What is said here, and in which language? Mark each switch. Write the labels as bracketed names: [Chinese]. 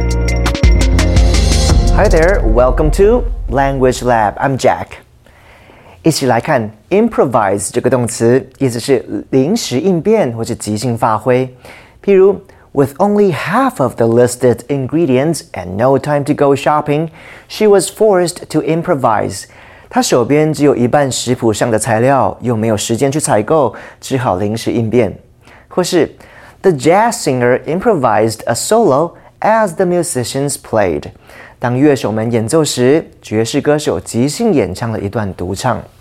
[English] Hi there, welcome to Language Lab. I'm Jack. [Chinese] 一起来看 improvise 这个动词，意思是临时应变或是即兴发挥。譬如 [English] With only half of the listed ingredients and no time to go shopping, she was forced to improvise. [Chinese] 她手边只有一半食谱上的材料，又没有时间去采购，只好临时应变。或是 [English] The jazz singer improvised a solo as the musicians played. [Chinese] 当乐手们演奏时，爵士歌手即兴演唱了一段独唱。